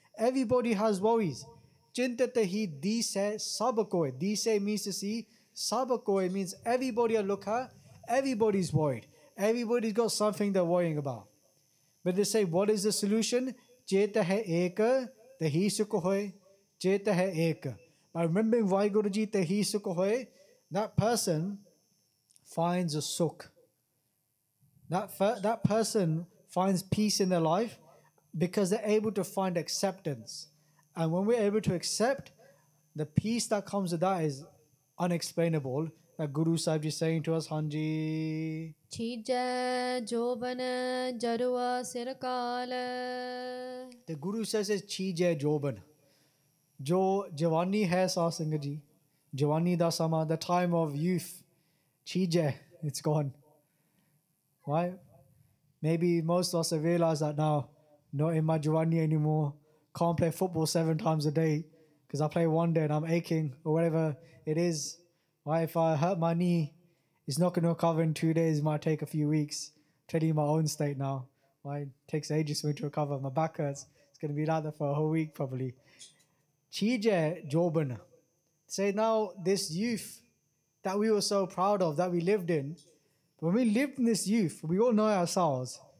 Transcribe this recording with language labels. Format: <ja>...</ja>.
<en>Everybody has worries.</en> <pa>Chintatahi disa sabakoi.</pa> <en>Disa means to see. Sabakoi means everybody I look at, everybody's worried. Everybody's got something they're worrying about. But they say, what is the solution?</en> <pa>Chetahe eka ਤੇ ਹੀ ਸੁੱਖ ਹੋਏ ਚੇਤ ਹੈ ਏਕ</pa> <en>by remembering Waheguru ji</en> <pa>ਤੇ ਹੀ ਸੁੱਖ ਹੋਏ</pa> <en>that person finds a ਸੁੱਖ that person finds peace in the life because they able to find acceptance and when we are able to accept the peace that comes that is unexplainable Guru Sahib ji saying to us ਹਾਂਜੀ</en> <pa>ਛੀਜੈ ਜੋਬਨ ਜਰੂਆ ਸਿਰ ਕਾਲ ਤੇ ਗੁਰੂ ਸਾਹਿਬ ਸੇ ਛੀਜੈ ਜੋਬਨ ਜੋ ਜਵਾਨੀ ਹੈ ਸਾਹ ਸਿੰਘ ਜੀ ਜਵਾਨੀ ਦਾ ਸਮਾਂ</pa> <en>The time of youth ਛੀਜੈ it's gone why maybe most of us realise that now no in my ਜਵਾਨੀ anymore can't play football 7 times a day because I play one day and I'm aching or whatever it is Why, if I hurt my knee, it's not going to recover in 2 days. It might take a few weeks. I'm telling you my own state now. Why, it takes ages for me to recover. My back hurts. It's going to be like that for a whole week, probably.</en> <pa>Chije Joban.</pa> <en>Say now, this youth that we were so proud of, that we lived in, when we lived in this youth, we all know ourselves.</en>